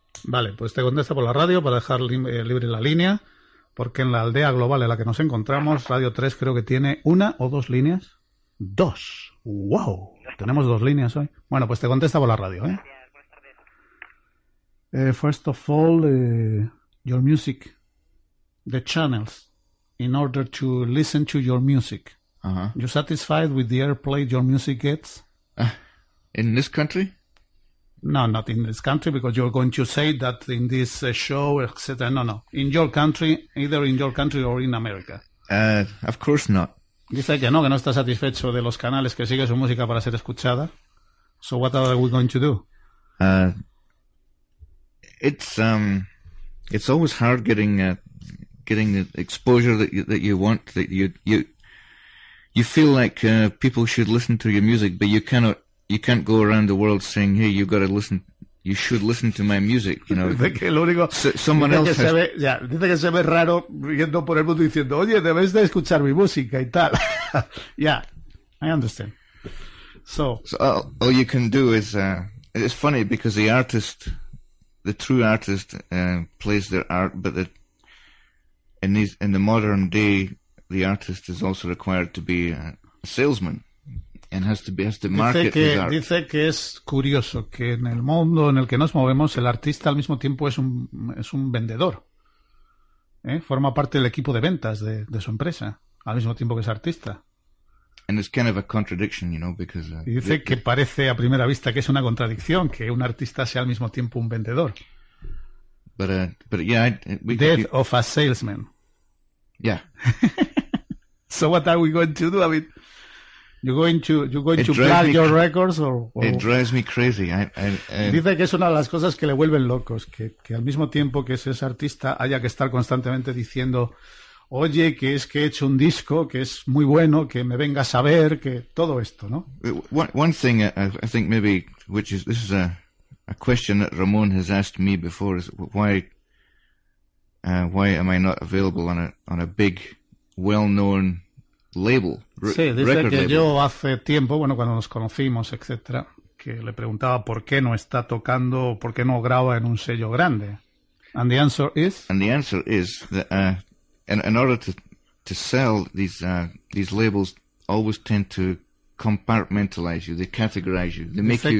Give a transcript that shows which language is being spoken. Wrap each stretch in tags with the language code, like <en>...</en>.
<es>Vale, pues te contesta por la radio para dejar libre la línea. Porque en la aldea global en la que nos encontramos, Radio 3 creo que tiene una o dos líneas. ¡Dos! ¡Wow! Tenemos dos líneas hoy. Bueno, pues te contesta por la radio, ¿eh?</es> <en>First of all, your music, the channels, in order to listen to your music. Uh-huh. You satisfied with the airplay your music gets? In this country? No, not in this country, because you're going to say that in this show, etc. No, no. In your country, either in your country or in America. Of course not.</en> <es>Dice que no está satisfecho de los canales que sigue su música para ser escuchada.</es> <en>So what are we going to do? It's always hard getting the exposure that you want, you feel like people should listen to your music, but you can't go around the world saying, hey, you should listen to my music, you know.</en> <es>Dice que lo único, dice que se ve raro yendo por el mundo diciendo, oye, debes de escuchar mi música y tal.</es> <en>Yeah, I understand. So all you can do is, it's funny because the true artist plays their art, but in the modern day, the artist is also required to be a salesman and has to market his art.</en> <es>Dice que es curioso que en el mundo en el que nos movemos, el artista al mismo tiempo es un vendedor. ¿Eh? Forma parte del equipo de ventas de su empresa, al mismo tiempo que es artista.</es> <en>And it's kind of a contradiction, you know, because</en> <es>dice que parece a primera vista que es una contradicción que un artista sea al mismo tiempo un vendedor.</es> <en>Death of a salesman. Yeah. So what are we going to do? I mean, you're going to plug your records or? It drives me crazy.</en> <es>Dice que es una de las cosas que le vuelven locos, que al mismo tiempo que ese artista haya que estar constantemente diciendo, oye, que es que he hecho un disco, que es muy bueno, que me vengas a ver, que todo esto, ¿no?</es> <en>One thing I think maybe, which is, this is a question that Ramon has asked me before, is why am I not available on a big, well-known label, record label?</en> <es>Yo hace tiempo, bueno, cuando nos conocimos, etcétera, que le preguntaba por qué no está tocando, por qué no graba en un sello grande.</es> <en>And the answer is? And the answer is that... In order to sell, these labels always tend to compartmentalize you, they categorize you, they make you...</en>